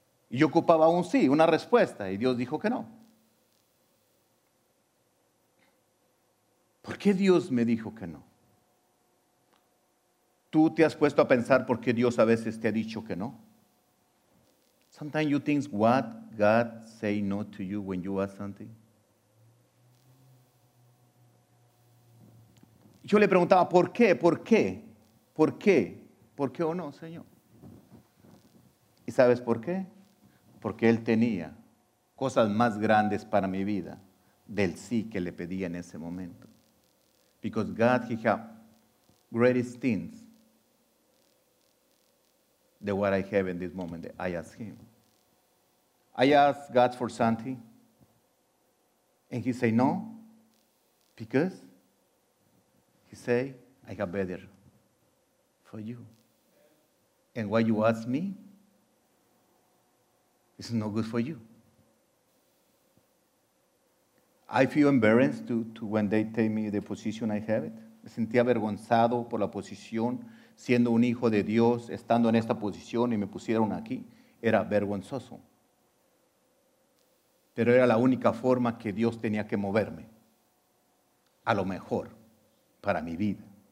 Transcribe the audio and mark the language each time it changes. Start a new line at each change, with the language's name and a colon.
Spanish: Y yo ocupaba un sí, una respuesta, y Dios dijo que no. ¿Por qué Dios me dijo que no? ¿Tú te has puesto a pensar por qué Dios a veces te ha dicho que no?
English: Sometimes you think what God say no to you when you ask something.
Spanish: Yo le preguntaba, ¿por qué? ¿Por qué? ¿Por qué? ¿Por qué o no, Señor? ¿Y sabes por qué? Porque Él tenía cosas más grandes para mi vida del sí que le pedía en ese momento.
English: Because God, He had greatest things than what I have in this moment that I ask Him. I ask God for something and He say no because He say, I have better for you. And what you ask me is no good for you. I feel embarrassed to when they tell me the position I have it.
Spanish: Me sentí avergonzado por la posición, siendo un hijo de Dios, estando en esta posición y me pusieron aquí. Era vergonzoso. Pero era la única forma que Dios tenía que moverme. A lo mejor. Para mi vida.